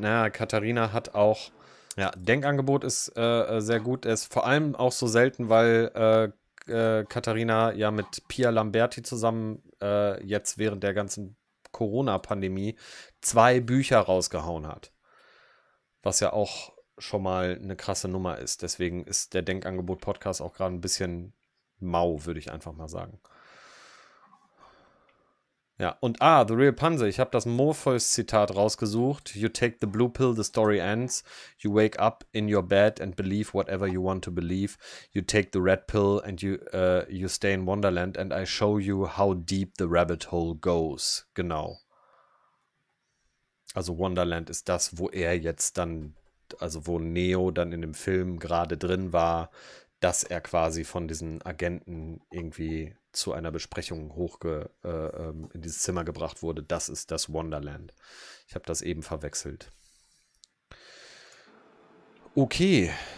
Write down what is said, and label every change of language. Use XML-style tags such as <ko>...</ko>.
<de>Naja, Katharina hat auch, ja, Denkangebot ist sehr gut, ist vor allem auch so selten, weil Katharina ja mit Pia Lamberti zusammen jetzt während der ganzen Corona-Pandemie zwei Bücher rausgehauen hat. Was ja auch schon mal eine krasse Nummer ist. Deswegen ist der Denkangebot-Podcast auch gerade ein bisschen mau, würde ich einfach mal sagen. Ja, und The Real Panzer. Ich habe das Morpheus-Zitat rausgesucht.</de> <en>You take the blue pill, the story ends. You wake up in your bed and believe whatever you want to believe. You take the red pill and you stay in Wonderland and I show you how deep the rabbit hole goes.</en> <de>Genau. Also Wonderland ist das, wo er jetzt dann, also wo Neo dann in dem Film gerade drin war, dass er quasi von diesen Agenten irgendwie zu einer Besprechung in dieses Zimmer gebracht wurde. Das ist das Wonderland. Ich habe das eben verwechselt. Okay.</de>